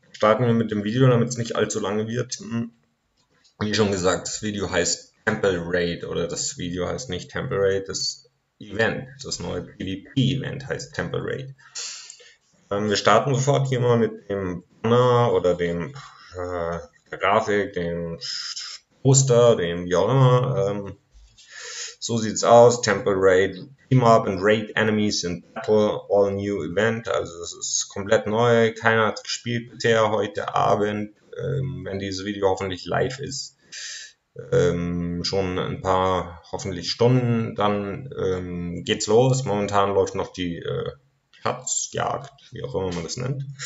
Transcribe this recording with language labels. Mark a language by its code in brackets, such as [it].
[de] Starten wir mit dem Video, damit es nicht allzu lange wird. Wie schon gesagt, das Video heißt Temple Raid oder das Video heißt nicht Temple Raid, das Event, das neue PvP-Event heißt Temple Raid. Wir starten sofort hier mal mit dem Banner oder dem der Grafik, dem Poster, dem wie auch immer. So sieht's aus: Temple Raid. [en] Team up and raid enemies in battle, all new event. [de] Also, das ist komplett neu. Keiner hat gespielt bisher heute Abend. Wenn dieses Video hoffentlich live ist, schon ein paar, hoffentlich Stunden, dann geht's los. Momentan läuft noch die Schatzjagd, wie auch immer man das nennt.